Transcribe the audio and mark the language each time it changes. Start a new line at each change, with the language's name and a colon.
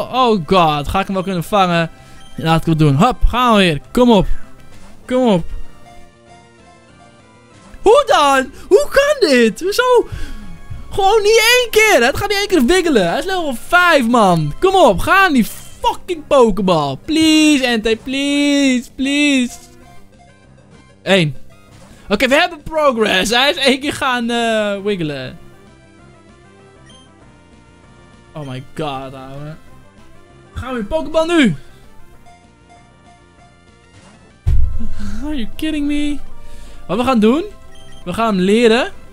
Dutch: Oh god, ga ik hem wel kunnen vangen? Laat ik het doen. Hop, gaan we weer. Kom op. Kom op. Hoe dan? Hoe kan dit? Zo. Gewoon niet één keer. Het gaat niet één keer wiggelen. Hij is level 5, man. Kom op, ga aan die fucking Pokéball.
English: Please, Entei, please, please.
Dutch: 1. Oké, we hebben progress. Hij is één keer gaan wiggelen.
English: Oh my god,
Dutch: ouwe. Gaan we weer Pokéball nu?
English: Are you kidding me?
Dutch: Wat we gaan doen? We gaan hem leren.